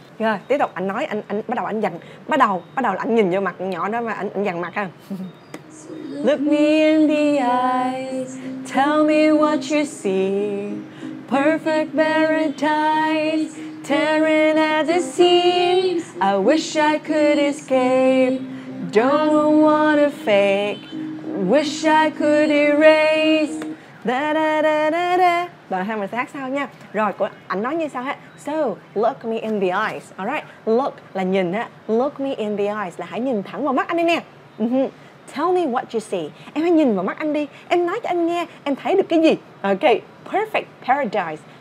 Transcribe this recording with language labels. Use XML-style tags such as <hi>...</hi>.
<vi>Rồi, tiếp tục anh nói, anh bắt đầu anh dằn, bắt đầu là anh nhìn vô mặt nhỏ đó mà anh dằn mặt ha.</vi> <en>Look me in the eyes, tell me what you see. Perfect paradise, tearing at the seams. I wish I could escape, don't wanna fake. Wish I could erase. Da da da da da.</en> <vi>Rồi hai mình sẽ hát sau nha. Rồi của anh nói như sao hết.</vi> <en>So look me in the eyes.</en> <vi>Alright, look là nhìn á.</vi> <en>Look me in the eyes</en> <vi>là hãy nhìn thẳng vào mắt anh đi nè.</vi> <en>Tell me what you see.</en> <vi>Em hãy nhìn vào mắt anh đi. Em nói cho anh nghe em thấy được cái gì. Ok,</vi> <en>perfect paradise.</en>